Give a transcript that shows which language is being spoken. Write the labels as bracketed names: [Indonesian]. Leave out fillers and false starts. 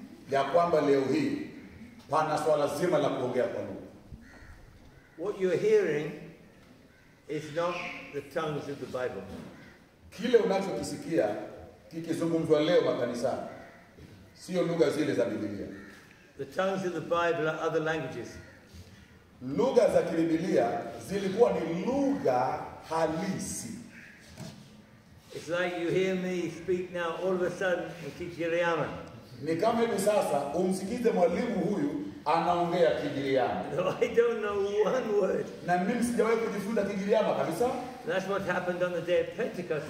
[Swahili] Ya kwamba leo hii pana swala zima la kuongea kwa lugha. [English] What you're hearing is not the tongues of the Bible. [Swahili] Kile unachokisikia kikizungumzwa leo makanisani sio lugha zile za Biblia. [English] The tongues of the Bible are other languages. [Swahili] Lugha za Biblia zilikuwa ni lugha halisi. [English] It's like you hear me speak now all of a sudden in Kigiriama. [Swahili] Ni kama hivi sasa umsikize mwalimu huyu anaongea Kigiriama. [English] No, I don't know one word. [Swahili] Na mimi sijawahi kujifunza Kigiriama kabisa. [English] That's what happened on the day of Pentecost.